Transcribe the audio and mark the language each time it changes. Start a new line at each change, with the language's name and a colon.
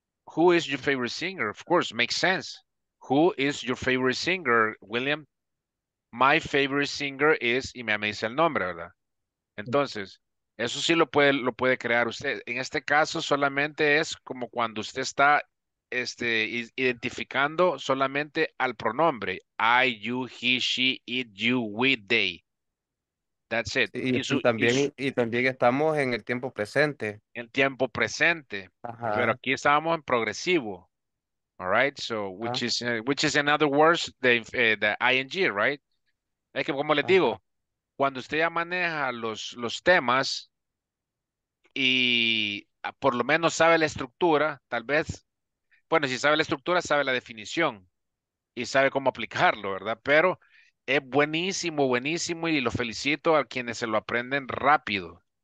English: Who is your favorite singer? Of course, makes sense. Who is your favorite singer, William? My favorite singer is,
Spanish: y me dice el nombre, ¿verdad? Entonces, eso sí lo puede crear usted. En este caso, solamente es como cuando usted está identificando solamente al pronombre.
English: I, you, he, she, it, you, we, they. That's it.
Spanish: Y también estamos en el tiempo presente. El tiempo presente. Ajá. Pero aquí estábamos en progresivo.
English: All right? So, which is in other words, the ING, right?
Spanish: Es que, como les digo, cuando usted ya maneja los temas y por lo menos sabe la estructura, tal vez, bueno, si sabe la estructura, sabe la definición y sabe cómo aplicarlo, ¿verdad? Pero es buenísimo, buenísimo, y lo felicito a quienes se lo aprenden rápido.